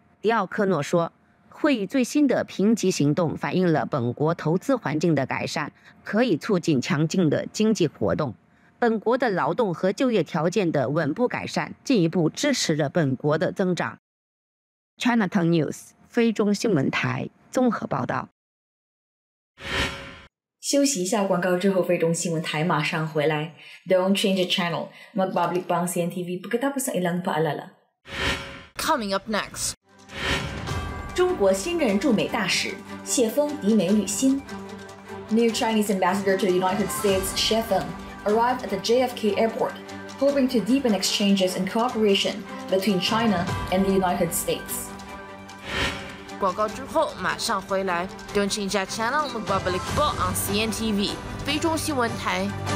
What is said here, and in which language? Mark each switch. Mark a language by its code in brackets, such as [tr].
[zh] 迪奥克诺说，会议最新的评级行动反映了本国投资环境的改善可以促进强劲的经济活动，本国的劳动和就业条件的稳步改善进一步支持着本国的增长。 Cntv News 菲中新闻台综合报道。休息一下广告之后，菲中新闻台马上回来。 [en] Don't change the channel. [tl] Magbablik bang CNTV pagkatapos ng ilang paalala. [en] Coming up next. [zh] 中国新任驻美大使谢峰抵美旅新。 [en] New Chinese ambassador to the United States, 谢峰arrived at the JFK airport, hoping to deepen exchanges and cooperation between China and the United States. [zh] 广告之后马上回来。 [en] Don't change that channel, [tl] Mubabalik Bo [en] on CNTV, [zh] 菲中新闻台。